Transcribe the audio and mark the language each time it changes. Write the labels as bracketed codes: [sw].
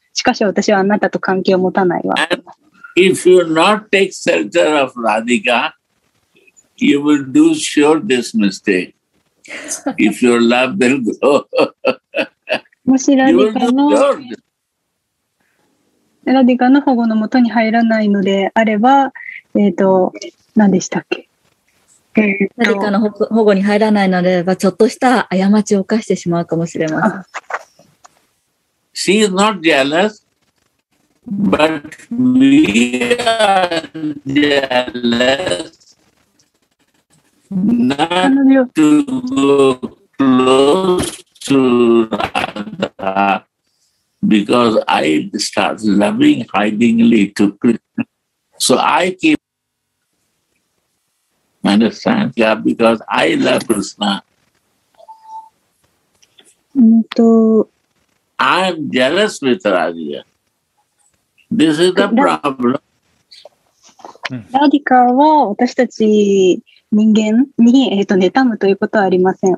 [ja] しかし、私はあなたと関係を持たないわ。 [en] If you not take shelter of Radhika, you will do sure this mistake. If your love will grow, [ja] もしラディカのラディカの保護のもとに入らないのであれば、何でしたっけ、ラディカの保護に入らないのであれば、ちょっとした過ちを犯してしまうかもしれません。 [en] She is not jealous, but we are jealous not to go close to Radha. Because I start loving hidingly to Krishna. So I keep, understand? Yeah, because I love Krishna. I am jealous with Radhika. This is the problem. [ja] Radhika は私たち人間に妬むということはありません。